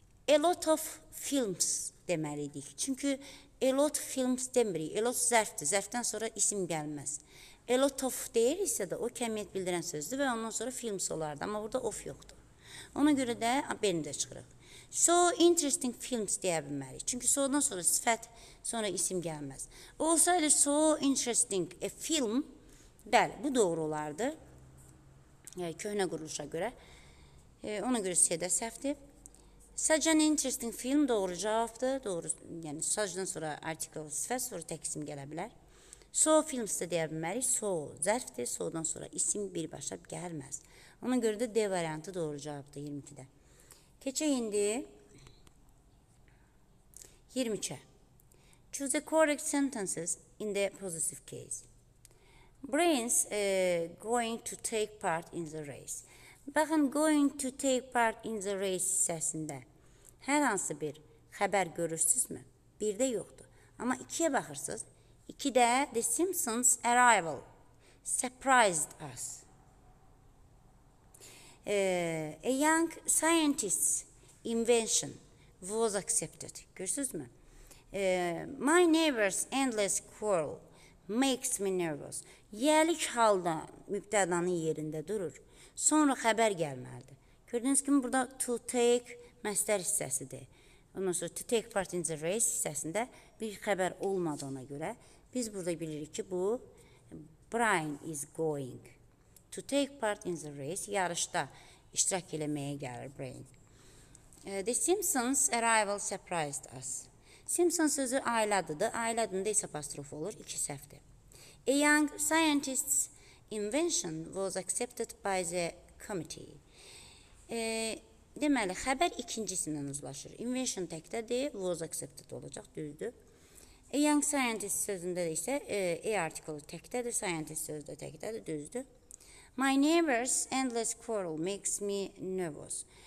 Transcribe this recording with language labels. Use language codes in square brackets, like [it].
[az] A lot of films deməliyik. Çünki a lot films demirik. A lot zərfdir. Zərfdən sonra isim gəlməz. A lot of deyir isə də o kəmiyyət bildirən sözdür və ondan sonra films olardı. Amma burada of yoxdur. Ona görə də beni də çıxırıq. So interesting films deyə bilmərik. Çünki so-dan sonra sifət, sonra isim gəlməz. Olsaydı so interesting a film, bəli, bu doğru olardı. Yəni, köhnə quruluşa görə. Ona görə C-də səhvdir. Such an interesting film doğru cavabdır. Doğru, yəni, such-dan sonra artikel sifət, sonra tək isim gələ bilər. So films də deyə bilmərik. So zərfdir, so-dan sonra isim birbaşa gəlməz. Ona görə də D variantı doğru cavabdır 22-də. Keçək indi 23-ə. [en] Choose the correct sentences in the positive case. Brains going to take part in the race. [az] Baxın, [en] going to take part in the race [az] hissəsində hər hansı bir xəbər görürsünüzmü? Bir də yoxdur. Amma ikiyə baxırsınız. İkidə [en] The Simpsons arrival surprised us. A young scientist's invention was accepted. [az] Görsünüz mü? [en] My neighbor's endless quarrel makes me nervous. [az] Yəlik halda mübtədanın yerində durur. Sonra xəbər gəlməlidir. Gördünüz ki, burada to take məsdər hissəsidir. Ondan sonra [en] to take part in the race [az] hissəsində bir xəbər olmadığına görə biz burada bilirik ki, bu [en] Brian is going to take part in the race. [az] Yarışda iştirak eləməyə gəlir Brian. [en] The Simpsons arrival surprised us. [az] Simpsons sözü ailədədir. Ailədində isə apostrof olur. İki səhvdir. [en] A young scientist's invention was accepted by the committee. [az] Deməli, xəbər ikincisindən uzlaşır. Invention təkdədir, was accepted olacaq, düzdür. A young scientist sözündə də isə A artikulu təkdədir, scientist sözü də təkdədir, düzdür. [en] My neighbor's endless quarrel makes me nervous.